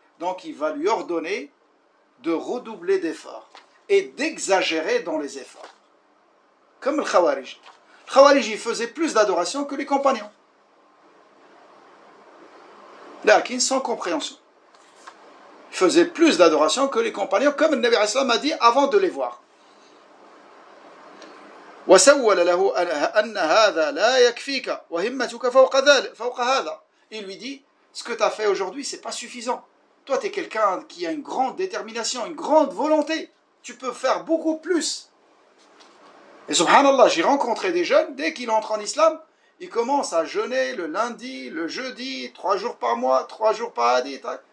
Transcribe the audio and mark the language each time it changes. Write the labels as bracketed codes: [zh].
[fr] Donc, il va lui ordonner de redoubler d'efforts et d'exagérer dans les efforts. Comme le Khawarij. Le Khawarij, il faisait plus d'adoration que les compagnons. Lakin, sans compréhension. Il faisait plus d'adoration que les compagnons, comme le Nabi Islam a dit avant de les voir. [ar] وسول له ان هذا لا يكفيك وهمتك فوق ذلك فوق هذا. [fr] Il lui dit, ce que tu as fait aujourd'hui, c'est pas suffisant. Toi, tu es quelqu'un qui a une grande détermination, une grande volonté. Tu peux faire beaucoup plus. Et subhanallah, j'ai rencontré des jeunes, dès qu'ils entrent en islam, ils commencent à jeûner le lundi, le jeudi, 3 jours par mois, 3 jours par hadith.